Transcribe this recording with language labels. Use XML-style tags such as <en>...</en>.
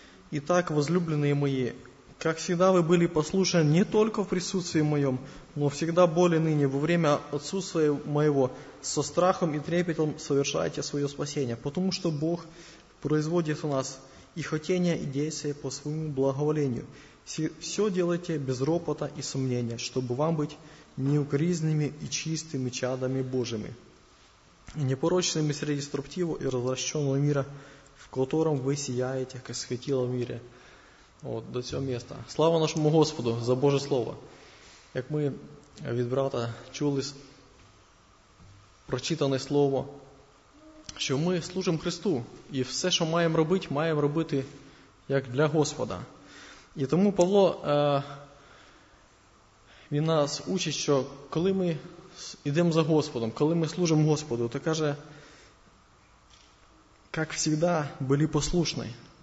<uk>«І так, возлюблені мої, як завжди ви були послушані не тільки</uk> <ru>в присутствии</ru> <uk>моєму,</uk> <ru>но завжди более</ru> <uk>нині,</uk> <ru>во время отсутствия</ru> <uk>моєго,</uk> <ru>со страхом і трепетом совершайте</ru> <uk>своє спасіння,</uk> <ru>потому що Бог производит у нас и хотение, и действие по своему благоволению. Все делайте без ропота и сомнения, чтобы вам быть неукоризненными и чистыми чадами Божьими, непорочными среди строптивого и развращенного мира, в котором вы сияете, как светило в мире». Вот,</ru> <uk>до цього места. Слава нашому Господу за Боже Слово. Як ми від брата чули прочитане Слово, що ми служимо Христу, і все, що маємо робити, маємо робити як для Господа. І тому Павло, він нас учить, що коли ми йдемо за Господом, коли ми служимо Господу, то каже, як завжди, були послушні.</uk>